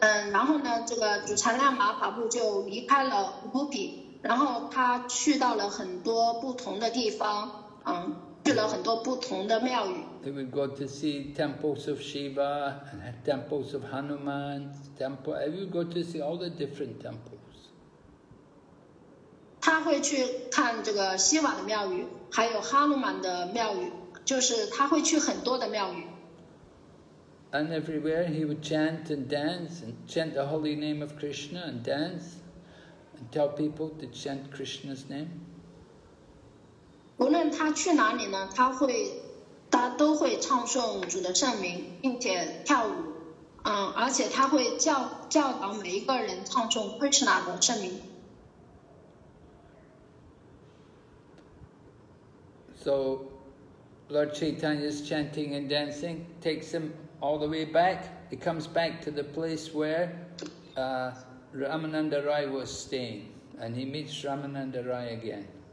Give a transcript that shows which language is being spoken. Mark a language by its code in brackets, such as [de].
[zh] 然后呢，这个主禅量马法布就离开了 Udupi， 然后他去到了很多不同的地方，去了很多不同的庙宇。 [en] He would go to see temples of Shiva, and temples of Hanuman, temple. He would go to see all the different temples. [zh] 他会去看这个西瓦的庙宇，还有哈努曼的庙宇，就是他会去很多的庙宇。 [en] And everywhere he would chant and dance, and chant the holy name of Krishna and dance, and tell people to chant Krishna's name. [zh] 无论他去哪里呢，他都会唱诵主的圣名，并且跳舞，而且他会教导每一个人唱诵 Krishna 的圣名。 [en] So, Lord Chaitanya is chanting and dancing, takes him all the way back. He comes back to the place where Ramananda Rai was staying, and he meets Ramananda Rai again.